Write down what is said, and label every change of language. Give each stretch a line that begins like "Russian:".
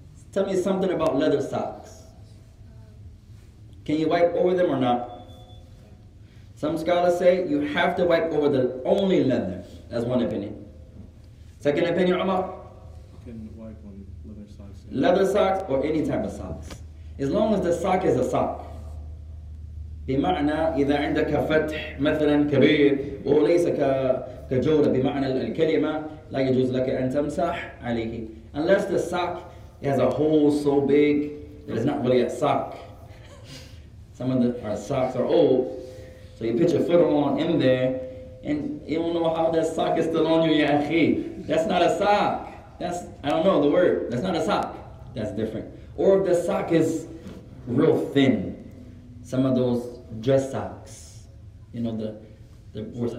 English: Tell me something about leather socks. Can you wipe over them or not? Some scholars say you have to wipe over the only leather. That's one opinion. Second opinion, Omar. Leather socks or any type of socks. As long as the sock is a sock.
Arabic: بمعنى إذا عندك فتح مثلا كبير وهو ليس كجورة بمعنى الكلمة لا يجوز لك أن تمسح عليه
English: unless the sock has a hole so big that it's not really a sock. Some of our socks are old, so you put your foot along in there and you don't know how that sock is still on you,
Arabic: يا أخي.
English: That's not a sock. That's, I don't know the word. That's not a sock. That's different. Or if the sock is real thin, some of those dress socks, you know, the worst